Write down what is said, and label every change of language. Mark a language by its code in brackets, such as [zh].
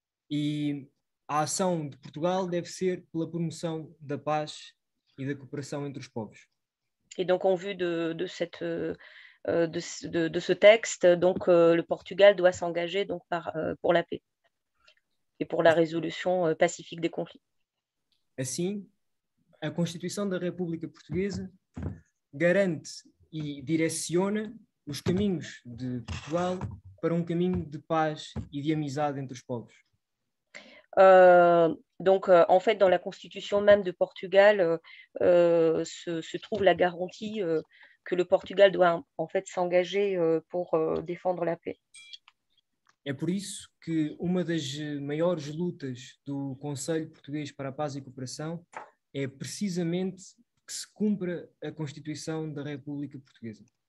[pt] E a ação de Portugal deve ser pela promoção da paz e da cooperação entre os povos. [fr] Et donc en vue de ce texte, donc le Portugal doit s'engager donc pour la paix et pour la résolution pacifique des conflits. [pt] Assim, a Constituição da República Portuguesa garante e direciona os caminhos de Portugal para caminho de paz e de amizade entre os povos. [fr] En fait, dans la Constitution même de Portugal se trouve la garantie que le Portugal doit en fait s'engager pour défendre la paix. [pt] É por isso que uma das maiores lutas do Conselho Português para a Paz e Cooperação é precisamente que se cumpra a Constituição da República Portuguesa.